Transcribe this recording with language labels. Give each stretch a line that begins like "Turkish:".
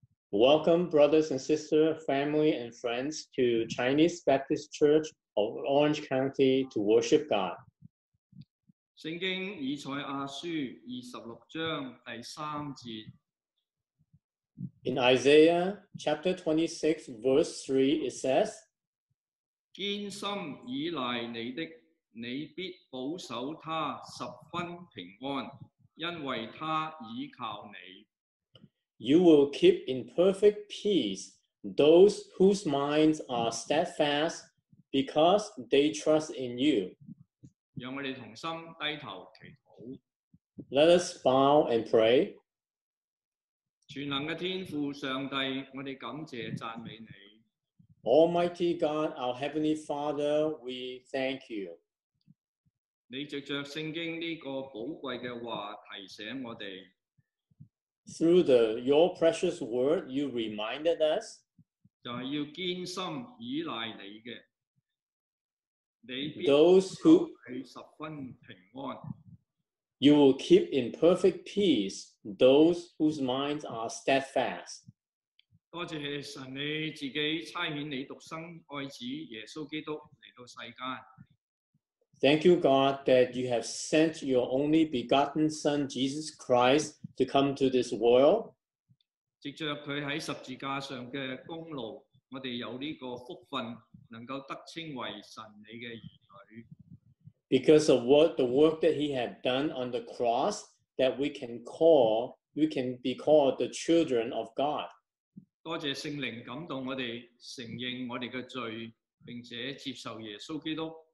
English: Welcome, brothers and sisters, family and friends, to Chinese Baptist Church of Orange County to worship God.
Chinese: 圣经以赛亚书二十六章第三节。
English: In Isaiah chapter 26, verse 3, it says,
Chinese: 坚心倚赖你的，你必保守他十分平安，因为他倚靠你。
English: You will keep in perfect peace those whose minds are steadfast because they trust in you.
Chinese: 让我们同心低头祈祷。
English: Let us bow and pray.
Chinese: 全能的天父上帝，我们感谢赞美你。
English: Almighty God, our Heavenly Father, we thank you.
Chinese: 你藉着圣经这个宝贵的话提醒我们。
English: Through the, your precious word, you reminded us
Chinese: 就是要坚心依赖你的，你必
English: those who
Chinese: 十分平安。
English: You will keep in perfect peace those whose minds are steadfast.
Chinese: 多谢神你自己差遣你独生爱子耶稣基督来到世间。
English: Thank you, God, that you have sent your only begotten Son, Jesus Christ, to come to this world.
Chinese: 藉着祂在十字架上的功劳，我们有这个福分，能够得称为神你的儿女。
English: Because of what the work that he had done on the cross, that we can be called the children of God.
Chinese: 多谢圣灵感动我们，承认我们的罪，并且接受耶稣基督。